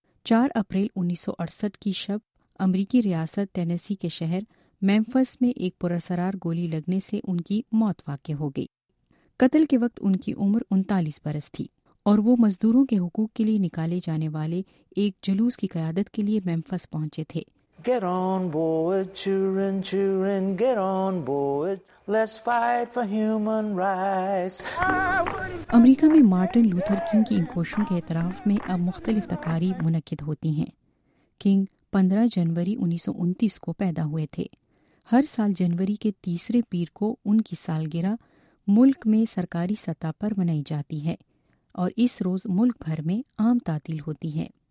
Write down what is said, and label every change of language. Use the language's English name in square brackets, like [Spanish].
[Urdu] 4 April 1968 کی شب امریکی ریاست ٹینیسی کے شہر میمفس میں ایک پرسرار گولی لگنے سے ان کی موت واقع ہو گئی. قتل کے وقت ان کی عمر 39 برس تھی اور وہ مزدوروں کے حقوق کے لیے نکالے جانے والے ایک جلوس کی قیادت کے لیے میمفس پہنچے تھے. [English] Get on board, children, children, get on board. Let's fight for human rights. [Urdu] امریکہ میں مارٹن لوتھر کنگ کی ان کوششوں کے اعتراف میں اب مختلف تقاریب منعقد ہوتی ہیں. کنگ 15 جنوری 1929 کو پیدا ہوئے تھے. ہر سال جنوری کے تیسرے پیر کو ان کی سالگرہ ملک میں سرکاری سطح پر منائی جاتی ہے اور اس روز ملک بھر میں عام تعطیل ہوتی ہے.